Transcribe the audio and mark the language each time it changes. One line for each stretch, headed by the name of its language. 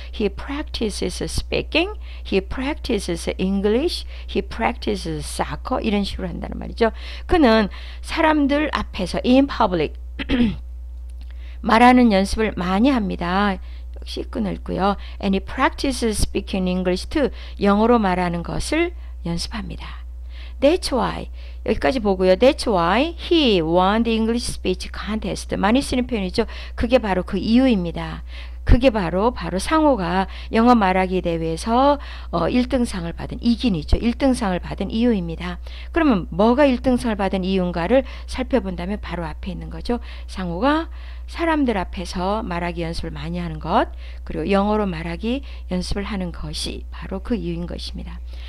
English: He practices speaking, he practices English, he practices soccer
Korean: 이런 식으로 한다는 말이죠. 그는 사람들 앞에서
English: in public
Korean: 말하는 연습을 많이 합니다. 역시 끊을고요.
English: And he practices speaking English too.
Korean: 영어로 말하는 것을 연습합니다.
English: That's why.
Korean: 여기까지 보고요.
English: That's why he won the English speech contest.
Korean: 많이 쓰는 표현이죠. 그게 바로 그 이유입니다. 그게 바로 상호가 영어 말하기 대회에서 1등상을 받은 이긴이죠. 1등상을 받은 이유입니다. 그러면 뭐가 1등상을 받은 이유인가를 살펴본다면 바로 앞에 있는 거죠. 상호가 사람들 앞에서 말하기 연습을 많이 하는 것, 그리고 영어로 말하기 연습을 하는 것이 바로 그 이유인 것입니다.